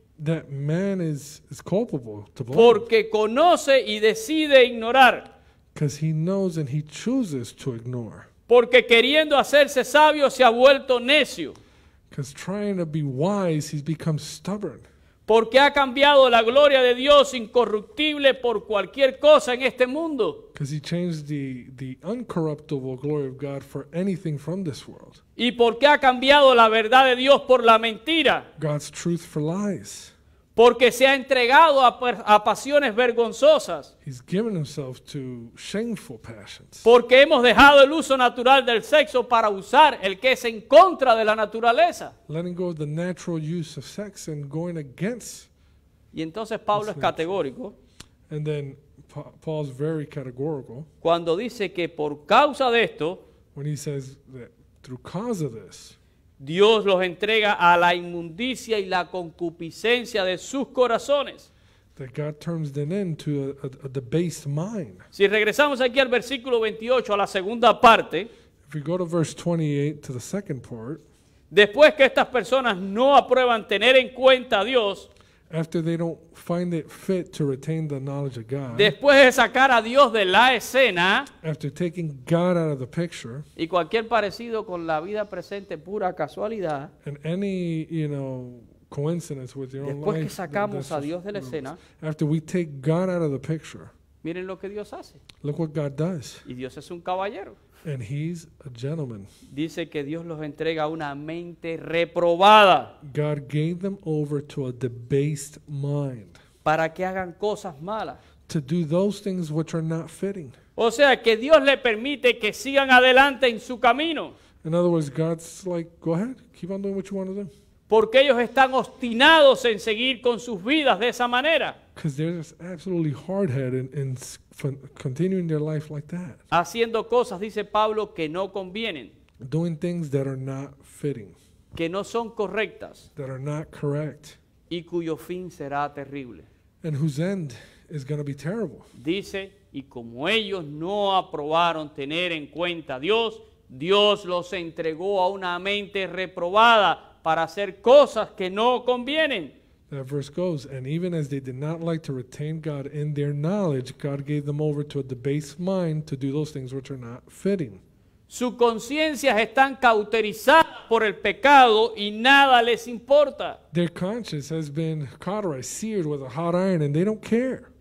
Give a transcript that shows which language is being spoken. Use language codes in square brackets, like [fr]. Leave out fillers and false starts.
[en] That man is culpable to blame. [es] Porque conoce y decide ignorar. [en] Because he knows and he chooses to ignore. [es] Porque queriendo hacerse sabio se ha vuelto necio. [en] Because trying to be wise he's become stubborn. [es] Porque ha cambiado la gloria de Dios incorruptible por cualquier cosa en este mundo. [en] Because he changed the uncorruptible glory of God for anything from this world. [es] Y porque ha cambiado la verdad de Dios por la mentira. [en] God's truth for lies. [es] Porque se ha entregado a pasiones vergonzosas. [en] He's given himself to shameful passions. [es] Porque hemos dejado el uso natural del sexo para usar el que es en contra de la naturaleza. [en] Letting go of the natural use of sex and going against. [es] Y entonces Pablo es categórico. [en] And then Paul's very categorical. [es] Cuando dice que por causa de esto. [en] When he says that through cause of this. [es] Dios los entrega a la inmundicia y la concupiscencia de sus corazones. [en] That God turns them into a debased mind. [es] Si regresamos aquí al versículo 28, a la segunda parte. [en] If you go to verse 28, to the second part. [es] Después que estas personas no aprueban tener en cuenta a Dios. [en] After they don't find it fit to retain the knowledge of God. [es] Después de sacar a Dios de la escena. [en] After taking God out of the picture. [es] Y cualquier parecido con la vida presente, pura casualidad. [en] And any, you know, coincidence with your own [es] después Después que sacamos a Dios de la escena. [en] After we take God out of the picture. [es] Miren lo que Dios hace. [en] Look what God does. [es] Y Dios es un caballero. [en] And he's a gentleman. [es] Dice que Dios los entrega una mente reprobada. [en] God gave them over to a debased mind. [es] Para que hagan cosas malas. [en] To do those things which are not fitting. [es] O sea, que Dios le permite que sigan adelante en su camino. [en] In other words, God's like, go ahead, keep on doing what you want to do. [es] Porque ellos están obstinados en seguir con sus vidas de esa manera. [en] Because they're just absolutely hard-headed and continuing their life like that. [es] Haciendo cosas, dice Pablo, que no convienen. [en] Doing things that are not fitting. [es] Que no son correctas. [en] That are not correct. [es] Y cuyo fin será terrible. [en] And whose end is going to be terrible. [es] Dice, y como ellos no aprobaron tener en cuenta a Dios, Dios los entregó a una mente reprobada para hacer cosas que no convienen. [en] That verse goes, and even as they did not like to retain God in their knowledge, God gave them over to a debased mind to do those things which are not fitting. [es] Su conciencia están cauterizadas por el pecado y nada les importa. [en] Their conscience has been cauterized, seared with a hot iron, and they don't care.